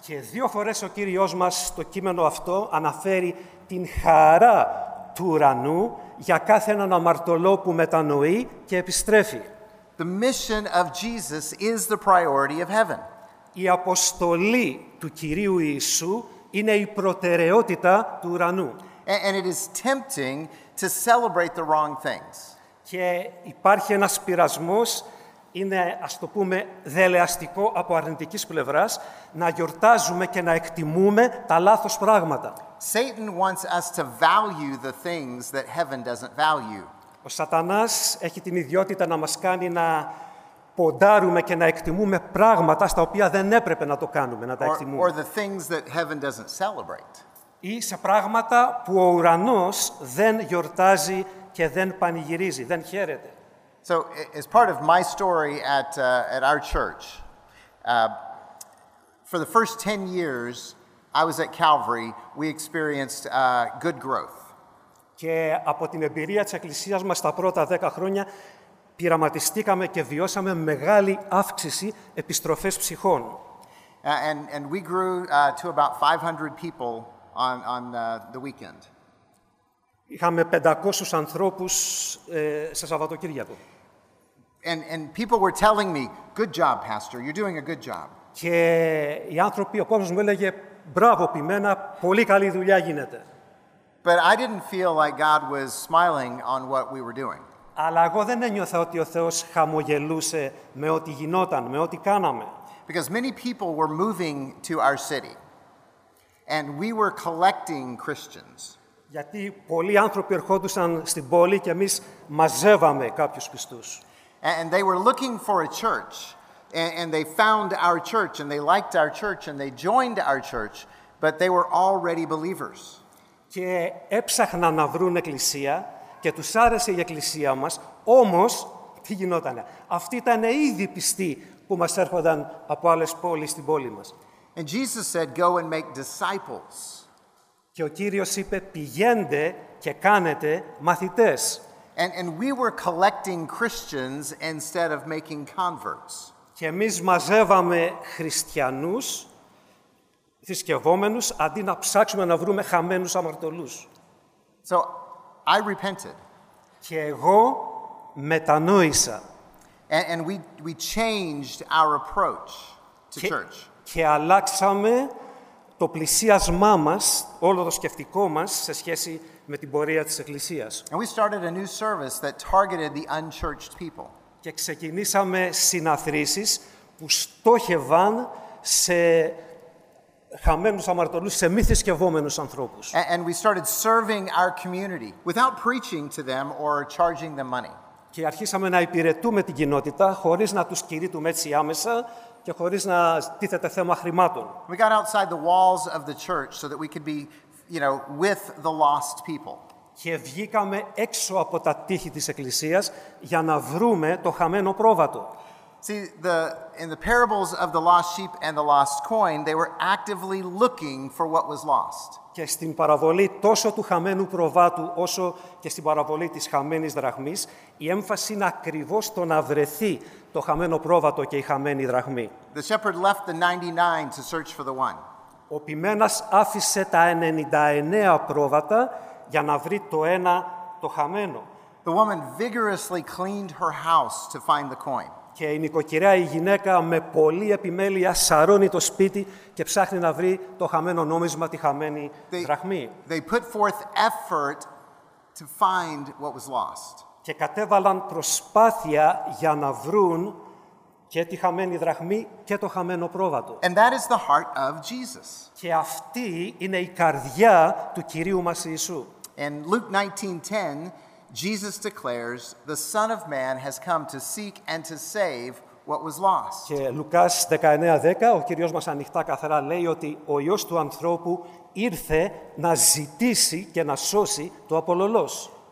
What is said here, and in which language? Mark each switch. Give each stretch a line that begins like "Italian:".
Greek: Και δύο φορές ο Κύριος μας στο κείμενο αυτό αναφέρει την χαρά του ουρανού για κάθε έναν αμαρτωλό που μετανοεί και επιστρέφει.
English: The mission of Jesus is the priority of heaven.
Greek: Η αποστολή του Κυρίου Ιησού είναι η προτεραιότητα του ουρανού.
English: And it is tempting to celebrate the wrong things.
Greek: Και υπάρχει ένας πειρασμός, είναι ας το πούμε δελεαστικό από αρνητικής πλευράς, να γιορτάζουμε και να εκτιμούμε τα λάθος πράγματα.
English: Satan wants us to value the things that heaven doesn't value.
Greek: Ο Σατανάς έχει την ιδιότητα να μας κάνει να ποντάρουμε και να εκτιμούμε πράγματα στα οποία δεν έπρεπε να το κάνουμε, να τα εκτιμούμε.
English: Or the things that heaven doesn't celebrate.
Greek: Ή σε πράγματα που ο ουρανός δεν γιορτάζει και δεν πανηγυρίζει, δεν χαίρεται.
English: So, as part of my story at our church, for the first 10 years I was at Calvary, we experienced good growth.
Greek: Και από την εμπειρία της εκκλησίας μας τα πρώτα 10 χρόνια πειραματιστήκαμε και βιώσαμε μεγάλη αύξηση επιστροφές ψυχών.
English: And we grew to about 500 people on the weekend.
Greek: Είχαμε 500 ανθρώπους σε Σαββατοκύριακο.
English: And people were telling me, good job, Pastor, you're doing a good job.
Greek: Και οι άνθρωποι, ο κόσμος μου έλεγε, μπράβο, ποιμένα, πολύ καλή δουλειά γίνεται.
English: But I didn't feel like God was smiling on what we were doing.
Greek: Αλλά εγώ δεν ένιωθα ότι ο Θεός χαμογελούσε με ό,τι γινόταν, με ό,τι κάναμε.
English: Because many people were moving to our city, and we were collecting Christians.
Greek: Γιατί πολλοί άνθρωποι ερχόντουσαν στην πόλη και εμείς μαζεύαμε κάποιους πιστούς.
English: And they were looking for a church, and they found our church, and they liked our church, and they joined our church, but they were already believers.
Greek: Και έψαχναν να βρουν εκκλησία και τους άρεσε η εκκλησία μας, όμως τι γινότανε. Αυτοί ήταν ήδη πιστοί που μας έρχονταν από άλλες πόλεις στην πόλη μας.
English: And Jesus said, go and make disciples.
Greek: Και ο Κύριος είπε, πηγαίντε και κάνετε μαθητές.
English: And we were collecting Christians instead of making converts.
Greek: Και εμείς μαζεύαμε χριστιανούς, θρησκευόμενους, αντί να ψάξουμε να βρούμε χαμένους αμαρτωλούς.
English: So, I repented.
Greek: Και εγώ μετανόησα.
English: And we changed our approach to church.
Greek: Και αλλάξαμε το πλησίασμά μας, όλο το σκεφτικό μας, σε σχέση με την πορεία της Εκκλησίας.
English: And we started a new service that targeted the unchurched people.
Greek: Και ξεκινήσαμε συναθρήσεις που στόχευαν σε χαμένους αμαρτωλούς, σε μη θρησκευόμενους ανθρώπους.
English: And we started serving our community without preaching to them or charging them money.
Greek: Και αρχίσαμε να υπηρετούμε την κοινότητα χωρίς να τους κηρύττουμε έτσι άμεσα και χωρίς να τίθεται θέμα χρημάτων.
English: We got outside the walls of the church so that we could be, you know, with the lost people.
Greek: Και βγήκαμε έξω από τα τείχη της εκκλησίας για να βρούμε το χαμένο πρόβατο.
English: See, in the parables of the lost sheep and the lost coin, they were actively looking for what was lost.
Greek: Και στην παραβολή τόσο του χαμένου προβάτου όσο και στην παραβολή της χαμένης δραχμής, η έμφαση είναι ακριβώς το να βρεθεί το χαμένο πρόβατο και η χαμένη δραχμή.
English: The shepherd left the 99 to search for the one.
Greek: Ο ποιμένας άφησε τα 99 πρόβατα για να βρει το ένα το χαμένο.
English: The woman vigorously cleaned her house to find the coin.
Greek: Και η νοικοκυρά, η γυναίκα, με πολλή επιμέλεια σαρώνει το σπίτι και ψάχνει να βρει το χαμένο νόμισμα, τη χαμένη δραχμή.
English: They put forth effort to find what was lost.
Greek: Και κατέβαλαν προσπάθεια για να βρουν και τη χαμένη δραχμή και το χαμένο πρόβατο.
English: And that is the heart of Jesus.
Greek: Και αυτή είναι η καρδιά του Κυρίου μας Ιησού.
English: In Luke 19:10, Jesus declares, the Son of Man has come to seek and to save what was lost.
Greek: Και Λουκάς 19:10, ο Κύριος μας ανοιχτά καθαρά λέει ότι ο Υιός του ανθρώπου ήρθε να ζητήσει και να σώσει το απολωλός.